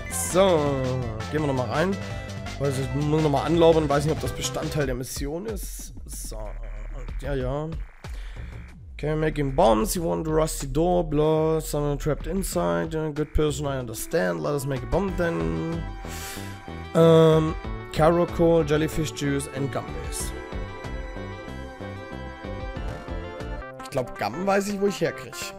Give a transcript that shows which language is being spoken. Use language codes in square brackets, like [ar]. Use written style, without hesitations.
[de] So. So, gehen wir nochmal rein. Also, ich muss nochmal anlaufen, weiß nicht, ob das Bestandteil der Mission ist. So, ja, ja. [en] Okay, making bombs, you want the rusty door, blah, someone trapped inside, a good person, I understand, let us make a bomb then. Caracol, jellyfish juice and gumbies. [de] Ich glaube, Gum weiß ich, wo ich herkriege.